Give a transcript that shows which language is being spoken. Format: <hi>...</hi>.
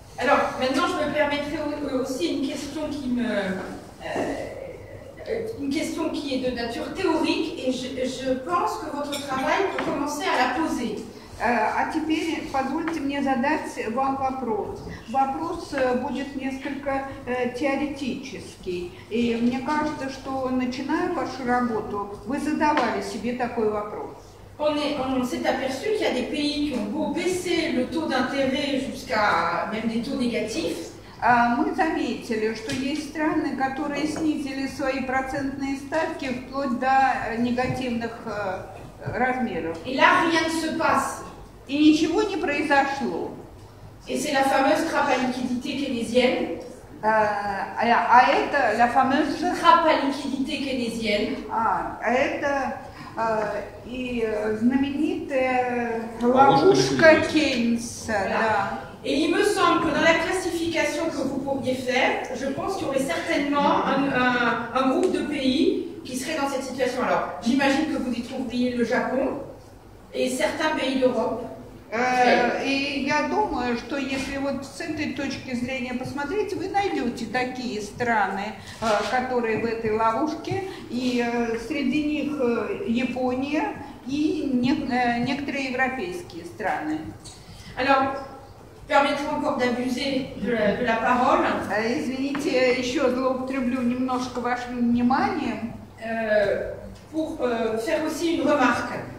<fr>Alors, maintenant je me permettrai aussi une question qui est de nature théorique, et je pense que votre travail peut commencer à la poser.</fr> <ru>А теперь позвольте мне задать вам вопрос. Вопрос будет несколько теоретический. И мне кажется, что начиная вашу работу, вы задавали себе такой вопрос.</ru> <fr>On s'est aperçu qu'il y a des pays qui ont baissé le taux d'intérêt jusqu'à même des taux négatifs.</fr> <ru>Мы заметили, что есть страны, которые снизили свои процентные ставки вплоть до негативных размеров.</ru> <fr>Et là, rien ne se passe.</fr> <ru>И ничего не произошло.</ru> <fr>Et c'est la fameuse trappe à liquidité keynésienne.</fr> <ru>А это</ru> <fr>la fameuse trappe à liquidité keynésienne.</fr> <ru>А это и знаменитая ловушка Кейнса.</ru> <fr>Et il me semble que dans la classification que vous pourriez faire, je pense qu'il y aurait certainement un groupe de pays qui serait dans cette situation. Alors, j'imagine que vous y trouveriez le Japon et certains pays d'Europe.</fr> <ru>И я думаю, что если вот с этой точки зрения посмотреть, вы найдете такие страны, которые в этой ловушке, и среди них Япония и некоторые европейские страны.</ru> <fr>Alors, permettez-moi encore d'abuser de la parole.</fr> <ru>Извините, я еще злоупотреблю немножко вашим вниманием.</ru> <fr>Pour faire aussi une remarque.</fr>